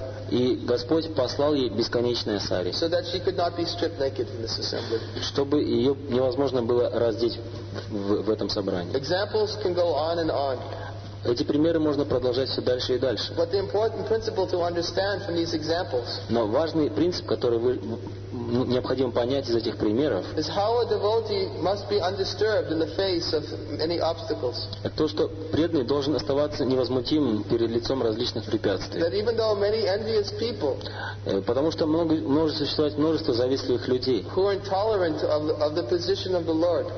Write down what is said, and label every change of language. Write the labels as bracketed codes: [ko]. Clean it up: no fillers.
[ru] И Господь послал ей бесконечное сари, чтобы ее невозможно было раздеть в этом собрании. [en] Examples can go on and on. [ru] Эти примеры можно продолжать все дальше и дальше. [en] But the important principle to understand from these examples. [ru] Но важный принцип, который вы необходимо понять из этих примеров, [en] is how a devotee must be undisturbed in the face of many obstacles. [ru] То, что преданный должен оставаться невозмутимым перед лицом различных препятствий. [en] That even though many envious people, [ru] потому что может существовать множество завистливых людей, [en] who are intolerant of the position of the Lord,